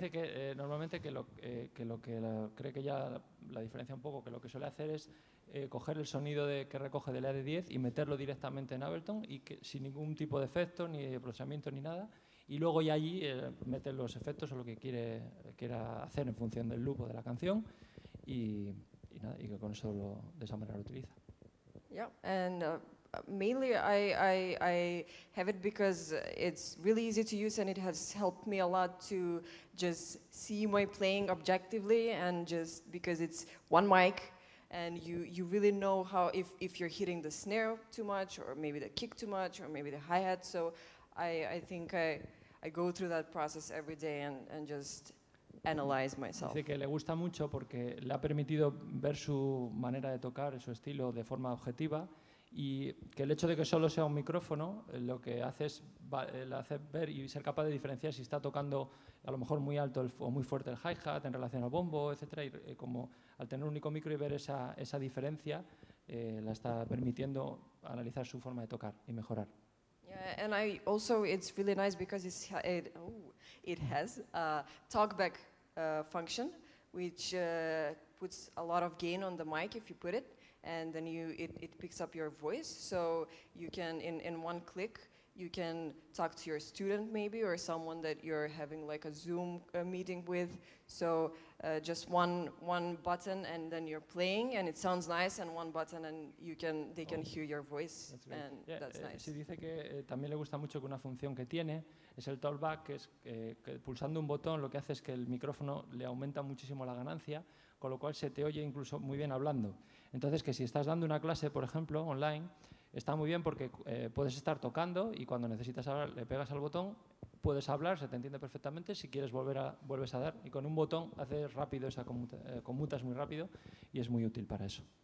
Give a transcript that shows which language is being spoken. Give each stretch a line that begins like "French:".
Spanish: Dice que normalmente la diferencia un poco, que lo que suele hacer es coger el sonido que recoge del AD10 y meterlo directamente en Ableton y que, sin ningún tipo de efecto, ni de procesamiento, ni nada. Y luego ya allí mete los efectos o lo que quiera hacer en función del loop o de la canción y nada, y que con eso de esa manera lo utiliza.
English: Yeah, and mainly I have it because it's really easy to use and it has helped me a lot to just see my playing objectively, and just because it's one mic and you really know how if you're hitting the snare too much or maybe the kick too much or maybe the hi-hat. So I think I go through that process every day and just analyze myself.
Spanish: Dice que le gusta mucho porque le ha permitido ver su manera de tocar, su estilo, de forma objetiva, y que el hecho de que solo sea un micrófono lo que hace es hacer ver y ser capaz de diferenciar si está tocando a lo mejor muy alto o muy fuerte el hi-hat en relación al bombo, etcétera, y como al tener un único micro y ver esa diferencia la está permitiendo analizar su forma de tocar y mejorar.
English: Yeah, and I also, it's really nice because it has a talkback function, which puts a lot of gain on the mic if you put it, and then it picks up your voice, so you can, in one click, you can talk to your student maybe, or someone that you're having like a Zoom meeting with, so just one button and then you're playing and it sounds nice, and one button and they can hear your voice. That's great. And yeah, that's nice.
Spanish: Sí, dice que también le gusta mucho que una función que tiene es el talkback, que es que pulsando un botón lo que hace es que el micrófono le aumenta muchísimo la ganancia, con lo cual se te oye incluso muy bien hablando. Entonces, que si estás dando una clase, por ejemplo, online, está muy bien porque puedes estar tocando y cuando necesitas hablar le pegas al botón, puedes hablar, se te entiende perfectamente, si quieres vuelves a dar, y con un botón haces rápido esa conmutas muy rápido y es muy útil para eso.